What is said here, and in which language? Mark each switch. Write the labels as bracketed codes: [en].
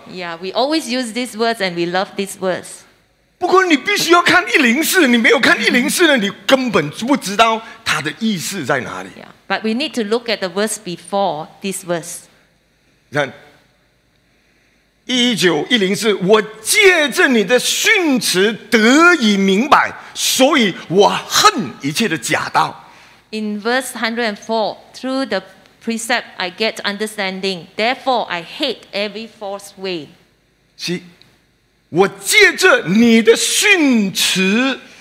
[en] Yeah, we always use these words and we love these words. [zh] 不过你必须要看104，你没有看104呢，你根本不知道它的意思在哪里。 [en] Yeah, but we need to look at the verse before this verse. [zh] 看。 119:104，我借着你的训词得以明白，所以我恨一切的假道。 [en] In verse 104, through the precept I get understanding, therefore I hate every false way. See, [zh] 我借着你的训词